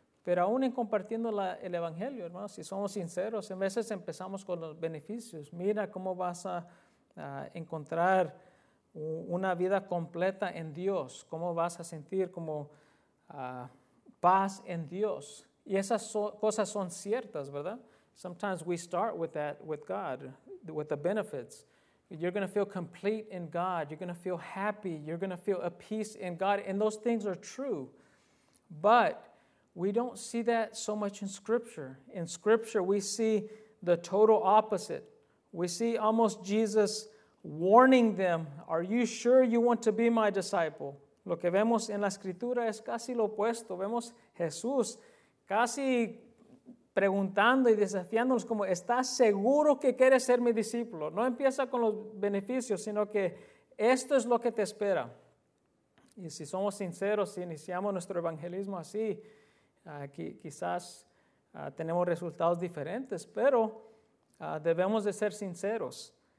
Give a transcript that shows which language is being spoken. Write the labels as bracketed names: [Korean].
[Spanish] Pero aún en compartiendo el Evangelio, hermanos, si somos sinceros, en veces empezamos con los beneficios. Mira cómo vas a encontrar una vida completa en Dios, cómo vas a sentir como paz en Dios. Y esas cosas son ciertas, ¿verdad? [English] Sometimes we start with that, with God, with the benefits. You're going to feel complete in God. You're going to feel happy. You're going to feel a peace in God. And those things are true. But we don't see that so much in Scripture. In Scripture, we see the total opposite. We see almost Jesus warning them, are you sure you want to be my disciple? [Spanish] Lo que vemos en la Escritura es casi lo opuesto. Vemos Jesús casi preguntando y desafiándonos como, ¿estás seguro que quieres ser mi discípulo? No empieza con los beneficios, sino que esto es lo que te espera. Y si somos sinceros, si iniciamos nuestro evangelismo así, quizás tenemos resultados diferentes, pero debemos de ser sinceros.